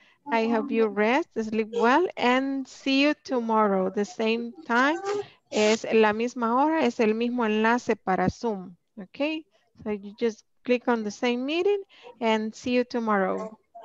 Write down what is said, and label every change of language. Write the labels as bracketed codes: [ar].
[en] I hope you rest, sleep well, and see you tomorrow. The same time. [es] Es la misma hora, es el mismo enlace para Zoom. [en] Okay? So you just click on the same meeting and see you tomorrow.